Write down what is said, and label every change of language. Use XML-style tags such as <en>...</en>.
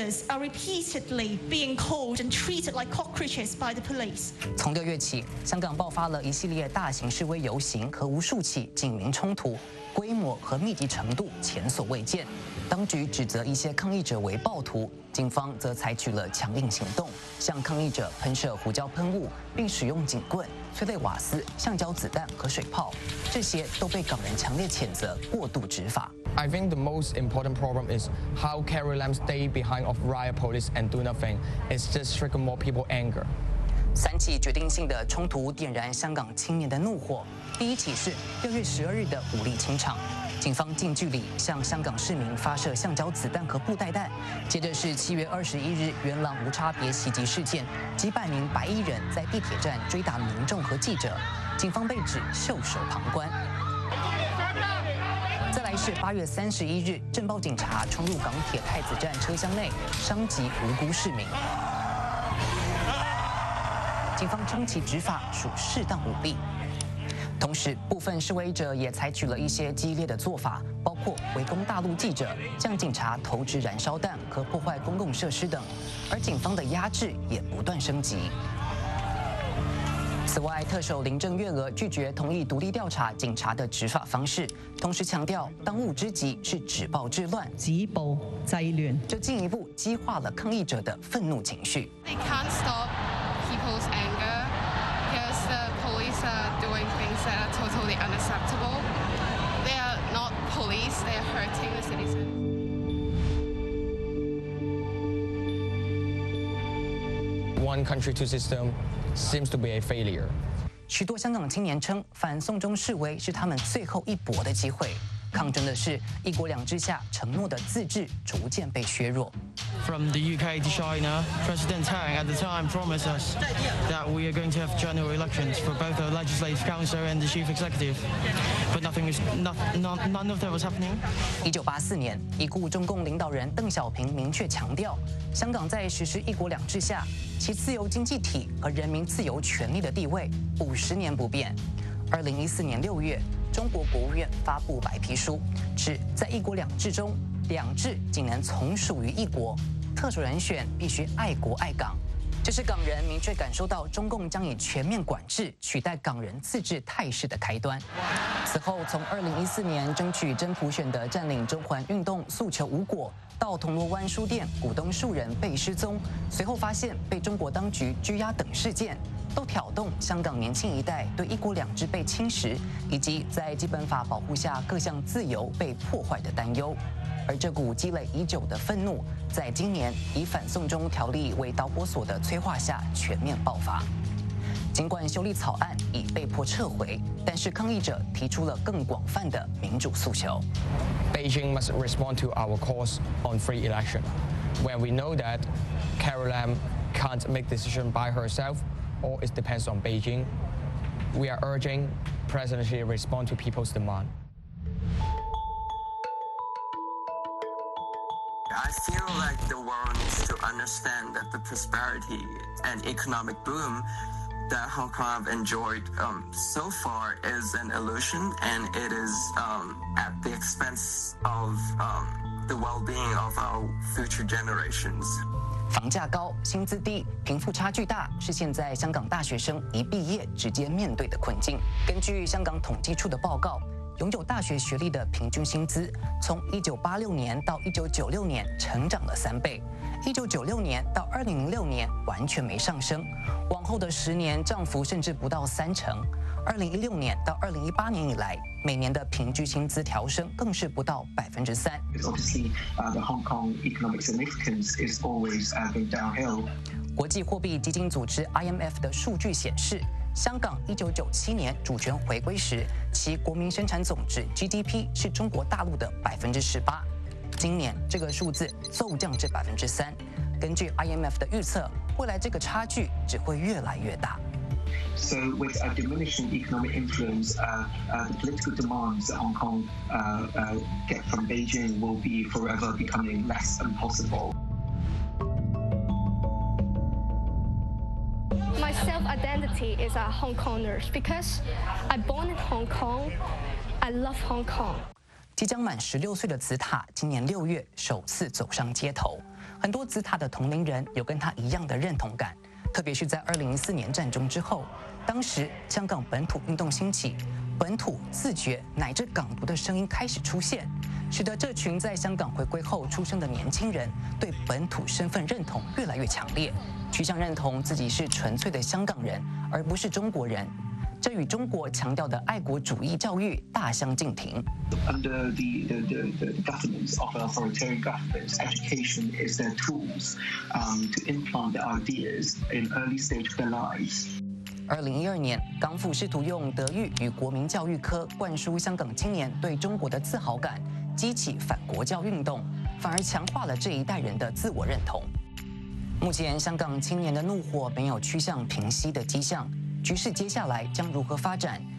<en>Are repeatedly being called and treated like cockroaches by the police.</en> <zh>从6月起，香港爆发了一系列大型示威游行和无数起警民冲突，规模和密集程度前所未见。当局指责一些抗议者为暴徒，警方则采取了强硬行动，向抗议者喷射胡椒喷雾，并使用警棍、催泪瓦斯、橡胶子弹和水炮，这些都被港人强烈谴责过度执法。</zh> <en>I think the most important problem is how Carrie Lam stay behind of riot police and do nothing. It's just trigger more people anger.</en> <zh>三起决定性的冲突点燃香港青年的怒火。第一起是6月12日的武力清场，警方近距离向香港市民发射橡胶子弹和布袋弹。接着是7月21日元朗无差别袭击事件，几百名白衣人在地铁站追打民众和记者，警方被指袖手旁观。是8月31日，镇暴警察冲入港铁太子站车厢内，伤及无辜市民。警方称其执法属适当武力。同时，部分示威者也采取了一些激烈的做法，包括围攻大陆记者、向警察投掷燃烧弹和破坏公共设施等。而警方的压制也不断升级。此外，特首林郑月娥拒绝同意独立调查警察的执法方式，同时强调当务之急是止暴制乱。止暴制乱，这进一步激化了抗议者的愤怒情绪。</zh> <en>They can't stop people's anger because the police are doing things that are totally unacceptable. They are not police. They are hurting the citizens. One country, two system seems to be a failure.</en> <zh>许多香港青年称，反送中示威是他们最后一搏的机会。抗争的是一国两制下承诺的自治逐渐被削弱。</zh> <en>From the UK to China, President Tang at the time promised us that we are going to have general elections for both the Legislative Council and the Chief Executive, but nothing is none of that was happening.</en> <zh>1984年，已故中共领导人邓小平明确强调，香港在实施一国两制下，其自由经济体和人民自由权利的地位50年不变。 2014年6月。中国国务院发布白皮书，指在一国两制中，两制仅能从属于一国，特首人选必须爱国爱港，这是港人明确感受到中共将以全面管制取代港人自治态势的开端。此后，从2014年争取真普选的占领中环运动诉求无果，到铜锣湾书店股东数人被失踪，随后发现被中国当局拘押等事件，都挑动香港年轻一代对一国两制被侵蚀以及在基本法保护下各项自由被破坏的担忧。而这股积累已久的愤怒，在今年以反送中条例为导火索的催化下全面爆发。尽管修例草案已被迫撤回，但是抗议者提出了更广泛的民主诉求。</zh> <en>Beijing must respond to our calls on free election. When we know that Carrie Lam can't make decision by herself, all it depends on Beijing, we are urging President Xi respond to people's demand. I feel like the world needs to understand that the prosperity and economic boomThat Hong Kong have enjoyed so far is an illusion, and it is at the expense of the well-being of our future generations.</en> <zh>房价高，薪资低，贫富差距大，是现在香港大学生一毕业直接面对的困境。根据香港统计处的报告，拥有大学学历的平均薪资从1986年到1996年成长了三倍。 1996年到2006年完全没上升，往后的十年涨幅甚至不到三成。 2016年到2018年以来，每年的平均薪资调升更是不到3%。</zh> <en>Obviously, the Hong Kong economic significance is always going downhill.</en> <zh>国际货币基金组织 IMF 的数据显示，香港1997年主权回归时，其国民生产总值 GDP 是中国大陆的18%。今年这个数字骤降至3%。根据 IMF 的预测，未来这个差距只会越来越大。</zh> <en>So with a diminishing economic influence, the political demands that Hong Kong get from Beijing will be forever becoming less impossible. Identity is a Hong Konger because I born in Hong Kong. I love Hong Kong.</en> <zh>即将满16岁的紫塔今年六月首次走上街头，很多紫塔的同龄人有跟他一样的认同感。特别是在2014年战中之后，当时香港本土运动兴起，本土自觉乃至港独的声音开始出现，使得这群在香港回归后出生的年轻人对本土身份认同越来越强烈。趋向认同自己是纯粹的香港人，而不是中国人，这与中国强调的爱国主义教育大相径庭。</zh> <en>Under the governments of authoritarian governments, education is their tools to implant the ideas in early stage of their lives.</en> <zh>2012年，港府试图用德育与国民教育科灌输香港青年对中国的自豪感，激起反国教运动，反而强化了这一代人的自我认同。目前香港青年的怒火没有趋向平息的迹象，局势接下来将如何发展？</zh>